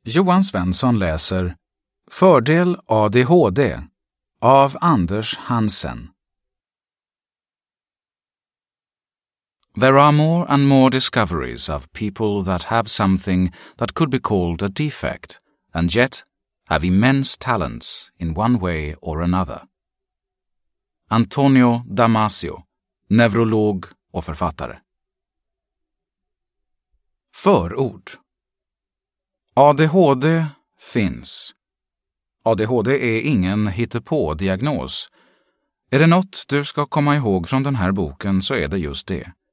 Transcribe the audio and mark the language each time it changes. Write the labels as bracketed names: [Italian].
[Swedish] Johan Svensson läser Fördel ADHD av Anders Hansen. [English] There are more and more discoveries of people that have something that could be called a defect and yet have immense talents in one way or another. [Swedish] Antonio Damasio, neurolog och författare. Förord. ADHD finns. ADHD är ingen hittepå-diagnos. Är det något du ska komma ihåg från den här boken så är det just det.